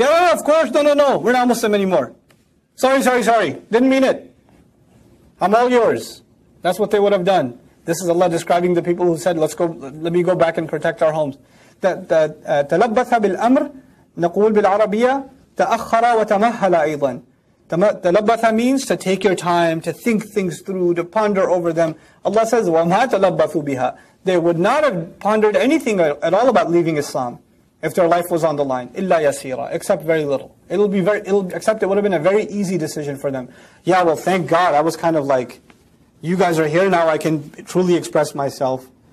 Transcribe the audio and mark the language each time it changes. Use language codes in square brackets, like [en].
[en] Yeah, of course, no. We're not Muslim anymore. Sorry. Didn't mean it. I'm all yours. That's what they would have done. This is Allah describing the people who said, let me go back and protect our homes. [ar] تَلَبَّثَ بِالْأَمْرِ نَقُول بِالْعَرَبِيَّةِ تَأَخَّرَ وَتَمَهَّلَ أَيْضًا. [en] تَلَبَّثَ means to take your time, to think things through, to ponder over them. Allah says, [ar] وَمَا تَلَبَّثُوا بِهَا. [en] They would not have pondered anything at all about leaving Islam if their life was on the line. [ar] إِلَّا يَسِيرًا. [en] Except very little. Except it would have been a very easy decision for them. Yeah, well, thank God. I was kind of like, you guys are here now, I can truly express myself.